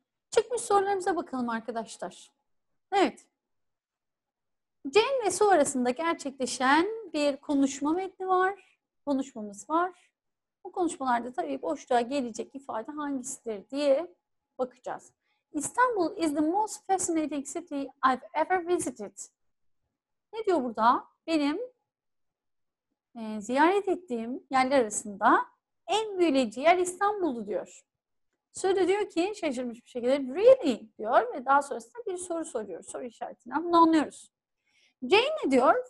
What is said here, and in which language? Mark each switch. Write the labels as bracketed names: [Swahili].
[Turkish] Çıkmış sorularımıza bakalım arkadaşlar. Evet. Jane ve Sue arasında gerçekleşen bir konuşma metni var. Konuşmamız var. Bu konuşmalarda tabii boşluğa gelecek ifade hangisidir diye bakacağız. [English] İstanbul is the most fascinating city I've ever visited. [Turkish] Ne diyor burada? Benim ziyaret ettiğim yerler arasında en büyüleyici yer İstanbul'du diyor. Sonra diyor ki şaşırmış bir şekilde really diyor ve daha sonrasında bir soru soruyor. Soru işaretini anlıyoruz. Jane ne diyor?